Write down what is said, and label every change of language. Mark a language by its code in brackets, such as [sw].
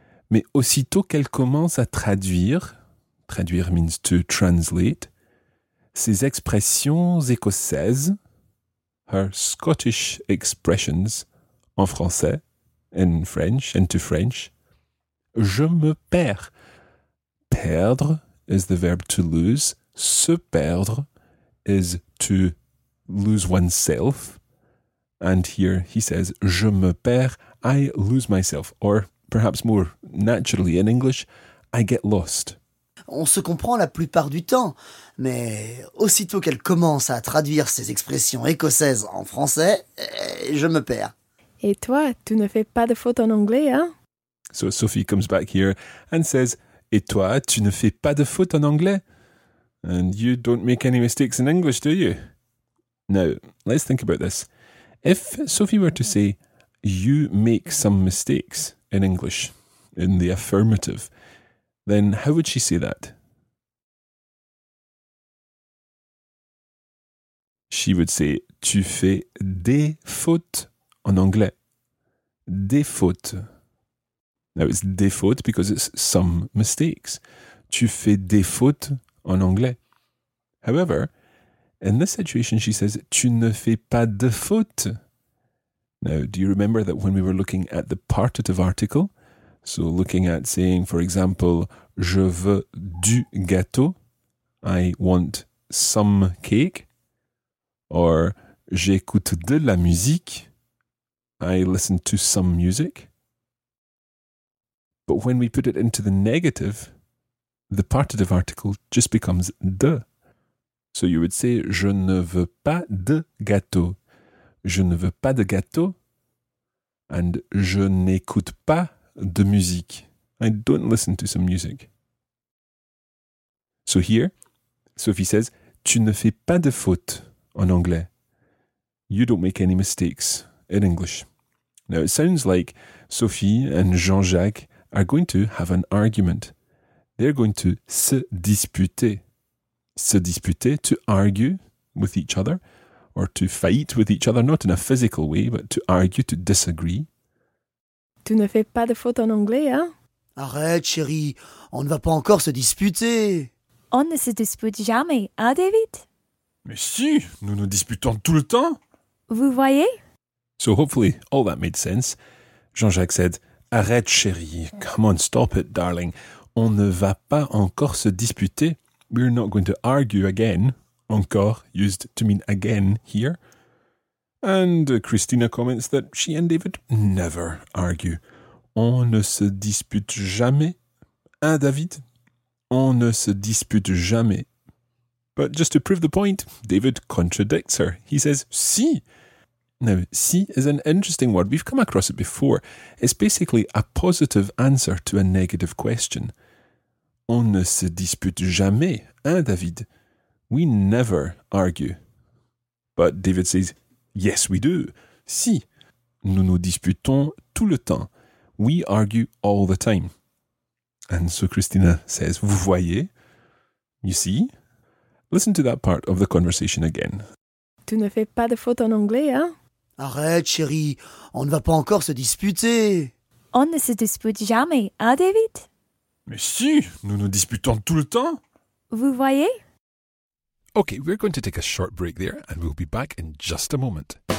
[fr] Mais aussitôt qu'elle commence à traduire, traduire [en] means to translate, [fr] ses expressions écossaises, [en] her Scottish expressions, [fr] en français, [en] in French, into French, [fr] je me perds. [en] Perdre is the verb to lose. Se perdre is to lose oneself. And here he says, [fr] je me perds, [en] I lose myself. Or perhaps more naturally in English, I get lost. [fr] On se comprend la plupart du temps, mais aussitôt qu'elle commence à traduire ses expressions écossaises en français, je me perds. Et toi, tu ne fais pas de fautes en anglais, hein? [en] So Sophie comes back here and says, [fr] et toi, tu ne fais pas de fautes en anglais? [en] And you don't make any mistakes in English, do you? Now, let's think about this. If Sophie were to say, you make some mistakes in English, in the affirmative, then how would she say that? She would say, [fr] tu fais des fautes en anglais. Des fautes. [en] Now it's des fautes because it's some mistakes. [fr] Tu fais des fautes en anglais. [en] However, in this situation, she says, [fr] tu ne fais pas de fautes. [en] Now, do you remember that when we were looking at the partitive article? So looking at saying, for example, [fr] je veux du gâteau, [en] I want some cake, or [fr] j'écoute de la musique, [en] I listen to some music. But when we put it into the negative, the partitive article just becomes de. So you would say, [fr] je ne veux pas de gâteau. Je ne veux pas de gâteau. And je n'écoute pas de musique. [en] I don't listen to some music. So here, Sophie says, [fr] tu ne fais pas de faute en anglais. [en] You don't make any mistakes in English. Now it sounds like Sophie and Jean-Jacques are going to have an argument. They're going to se disputer. Se disputer, to argue with each other, or to fight with each other, not in a physical way, but to argue, to disagree. [fr] Tu ne fais pas de faute en anglais, hein? Arrête, chérie, on ne va pas encore se disputer. On ne se dispute jamais, hein, David? Mais si, nous nous disputons tout le temps. Vous voyez? [en] So hopefully all that made sense. Jean-Jacques said, [fr] arrête, chérie, [en] come on, stop it, darling. [fr] On ne va pas encore se disputer. [en] We're not going to argue again. Encore, used to mean again here. And Christina comments that she and David never argue. [fr] On ne se dispute jamais. Hein, David? On ne se dispute jamais. [en] But just to prove the point, David contradicts her. He says, si. Now, si is an interesting word. We've come across it before. It's basically a positive answer to a negative question. [fr] On ne se dispute jamais, hein, David? [en] We never argue. But David says, yes, we do. [fr] Si, nous nous disputons tout le temps. [en] We argue all the time. And so Christina says, [fr] vous voyez? [en] You see? Listen to that part of the conversation again. [fr] Tu ne fais pas de faute en anglais, hein? Arrête, chérie. On ne va pas encore se disputer. On ne se dispute jamais, hein, David? Mais si, nous nous disputons tout le temps. Vous voyez? [en] Okay, we're going to take a short break there and we'll be back in just a moment.